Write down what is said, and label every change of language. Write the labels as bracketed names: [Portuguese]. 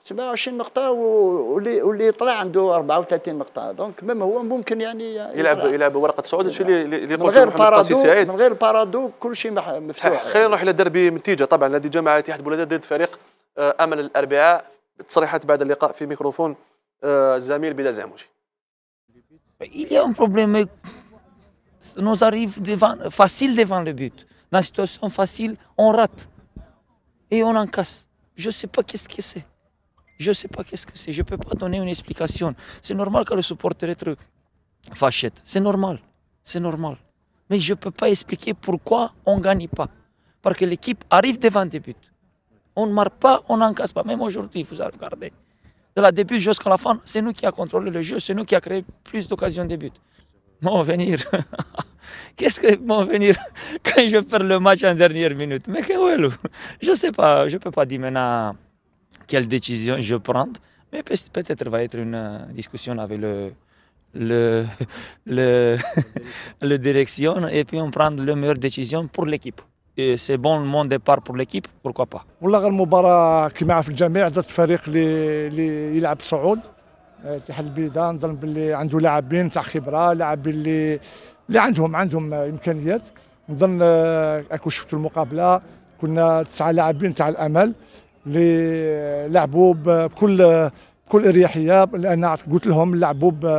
[Arabic] 27 نقطه واللي طلع عنده 34 نقطه دونك ميم هو ممكن يعني يلعب ورقه صعود هادشي اللي يقول غير بارادو من غير بارادو كلشي مفتوح خلينا نروح الى دربي منتيجه طبعا نادي جامعه اتحاد بلاد ضد فريق امل الاربعاء تصريحات بعد اللقاء في ميكروفون الزميل بلال زعموشي [French] il y a un problème nous arrive devant facile devant le but dans situation facile on rate et on encaisse je sais pas qu'est-ce que c'est je sais pas qu'est-ce que c'est je peux pas donner une explication c'est normal que le supporter être fâché c'est normal mais je peux pas expliquer pourquoi on gagne pas parce que l'équipe arrive devant des buts on ne marque pas on encaisse pas même aujourd'hui vous avez regardé de la début jusqu'à la fin c'est nous qui a contrôlé le jeu c'est nous qui a créé plus d'occasions de buts Mon venir. Qu'est-ce que mon venir quand je perds le match en dernière minute? Mais que voulez-vous? Je ne sais pas, je ne peux pas dire maintenant quelle décision je prends, mais peut-être va être une discussion avec le direction et puis on prend la meilleure décision pour l'équipe. سي بون مون ديبار بور ليكيب بوركوا با [Arabic] والله غير المباراه كيما عرف الجميع ضد فريق اللي يلعب صعود اتحاد البيضاء نظن باللي عنده لاعبين تاع خبره لاعبين اللي عندهم امكانيات نظن اكو شفتوا المقابله كنا 9 لاعبين تاع الامل اللي لعبوا بكل اريحيه لان قلت لهم لعبوا